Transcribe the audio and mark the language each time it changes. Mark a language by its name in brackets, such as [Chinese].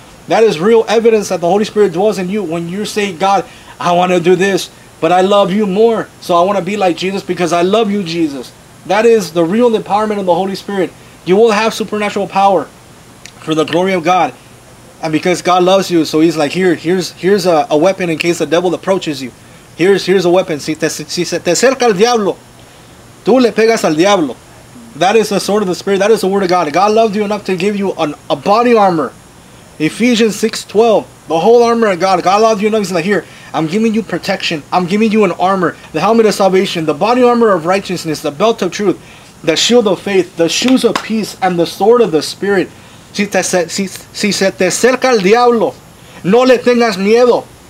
[English] That is real evidence that the Holy Spirit dwells in you when you say, God, I want to do this, but I love you more. So I want to be like Jesus because I love you, Jesus. That is the real empowerment of the Holy Spirit. You will have supernatural power for the glory of God. And because God loves you, so he's like, here's a weapon in case the devil approaches you. Here's a weapon. [Spanish] Si te acerca el diablo, tú le pegas al diablo. [English] That is the sword of the Spirit. That is the word of God. God loved you enough to give you a body armor. Ephesians 6:12, the whole armor of God. God loves you enough. He's like, here, I'm giving you protection. I'm giving you an armor, the helmet of salvation, the body armor of righteousness, the belt of truth, the shield of faith, the shoes of peace, and the sword of the Spirit. [Spanish] Si se te acerca el diablo, no le tengas miedo.